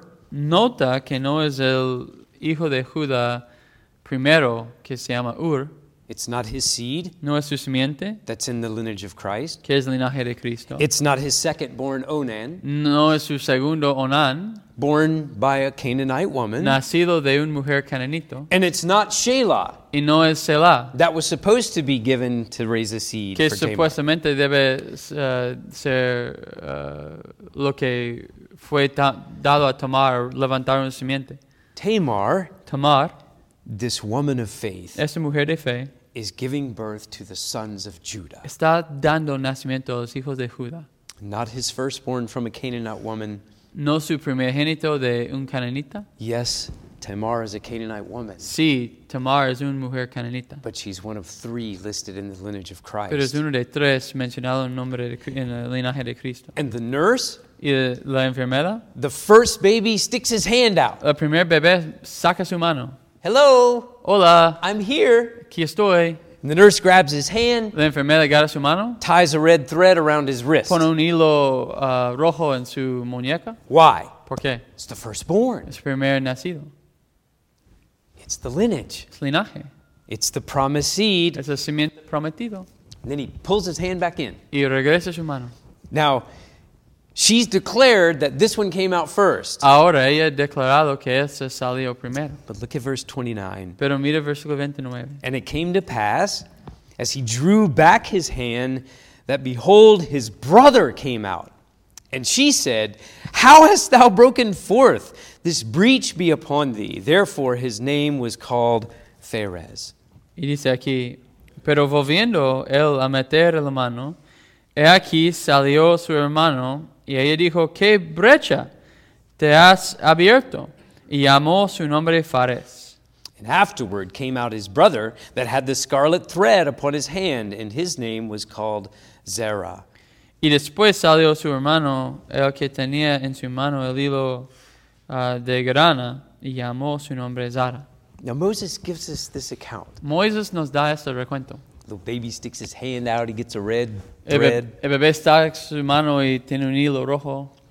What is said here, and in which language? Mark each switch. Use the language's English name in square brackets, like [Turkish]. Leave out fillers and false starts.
[Spanish] Nota que no es el hijo de Judá primero, que se llama Ur. [English] It's not his seed. [Spanish] No es su simiente. [English] That's in the lineage of Christ. [Spanish] Que es el linaje de Cristo. [English] It's not his second born Onan. [Spanish] No es su segundo Onan. [English] Born by a Canaanite woman. [Spanish] Nacido de una mujer cananito. [English] And it's not Shelah. [Spanish] Y no es Shelah. [English] That was supposed to be given to raise a seed [Spanish] que [English] for Tamar. [Spanish] Que supuestamente debe ser lo que fue dado a Tamar, levantar una simiente. [English] Tamar. This woman of faith, [Spanish] esta mujer de fe, [English] is giving birth to the sons of Judah. [Spanish] Está dando nacimiento a los hijos de Judá. [English] Not his firstborn from a Canaanite woman. [Spanish] No su primogénito de un cananita. [English] Yes, Tamar is a Canaanite woman. [Spanish] Sí, Tamar es una mujer cananita. [English] But she's one of three listed in the lineage of Christ. [Spanish] Pero es uno de tres mencionado en nombre de, en el linaje de Cristo. [English] And the nurse. [Spanish] Y la enfermera. [English] The first baby sticks his hand out. [Spanish] El primer bebé saca su mano. [English] Hello. [Spanish] Hola. [English] I'm here. [Spanish] Aquí estoy. [English] And the nurse grabs his hand. [Spanish] La enfermera agarra su mano. [English] Ties a red thread around his wrist. [Spanish] Pone un hilo rojo en su muñeca. [English] Why? [Spanish] ¿Por qué? [English] It's the firstborn. [Spanish] Es primer nacido. [English] It's the lineage. [Spanish] Es linaje. [English] It's the promised seed. [Spanish] Es el simiente prometido. [English] And then he pulls his hand back in. [Spanish] Y regresa su mano. [English] Now, she's declared that this one came out first. [Spanish] Ahora ella ha declarado que ese salió primero. [English] But look at verse 29. [Spanish] Pero mira versículo 29. [English] And it came to pass, as he drew back his hand, that behold, his brother came out. And she said, how hast thou broken forth? This breach be upon thee. Therefore his name was called Phares. [Spanish] Y dice aquí, pero volviendo él a meter la mano, he aquí salió su hermano, y ella dijo, ¿qué brecha te has abierto? Y llamó su nombre Phares. [English] And afterward came out his brother that had the scarlet thread upon his hand, and his name was called Zerah. [Spanish] Y después salió su hermano, el que tenía en su mano el hilo de grana, y llamó su nombre Zara. [English] Now Moses gives us this account. [Spanish] Moisés nos da este recuento. [English] The baby sticks his hand out, he gets a red [Spanish] El bebé está en su mano y tiene un hilo rojo.